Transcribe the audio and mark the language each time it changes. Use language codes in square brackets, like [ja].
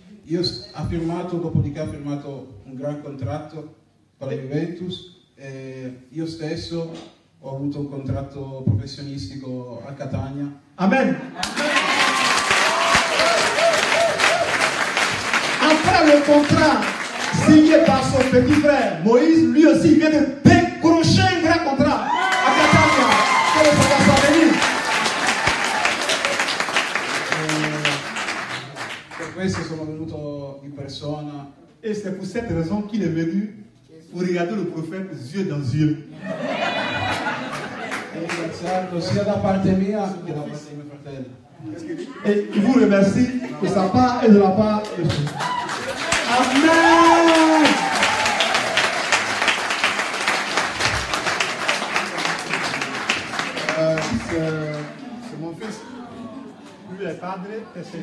[it] Io ha firmato, dopodiché ha firmato un gran contratto per la Juventus. Io stesso ho avuto un contratto professionistico a Catania. Amen. [fr] Après le contrat signé par son petit frère Moïse, lui aussi vient de décrocher un grand contrat à Catania. Que le Seigneur soit béni. [it] Per questo sono venuto in persona. [fr] Et c'est pour cette raison qu'il est venu. Pour regarder le prophète yeux dans yeux. [it] Sia da parte mia che da parte di mio fratello. [fr] Et il vous remercie de sa part et de la part de Dieu. Amen. Lui est padre, c'est